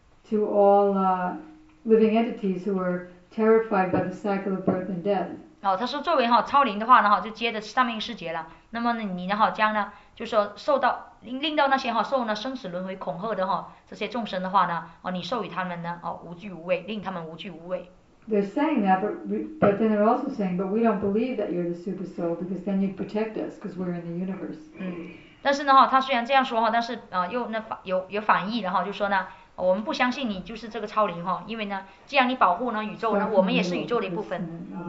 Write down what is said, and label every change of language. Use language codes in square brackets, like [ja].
[en] to all living entities who were terrified by the cycle of birth and death. [zh] 哦，他说作为哈超灵的话呢，哈就接着上面世界了。那么你呢，哈将呢，就是说受到令到那些哈受呢生死轮回恐吓的哈这些众生的话呢，哦，你授予他们呢，哦，无惧无畏，令他们无惧无畏。 [en] They're saying that, but then they're also saying, but we don't believe that you're the super soul because then you protect us because we're in the universe. [zh] 嗯，但是呢，哈，他虽然这样说哈，但是又那有反义的哈，就说呢。我们不相信你就是这个超灵哈，因为呢，既然你保护呢宇宙呢，我们也是宇宙的一部分。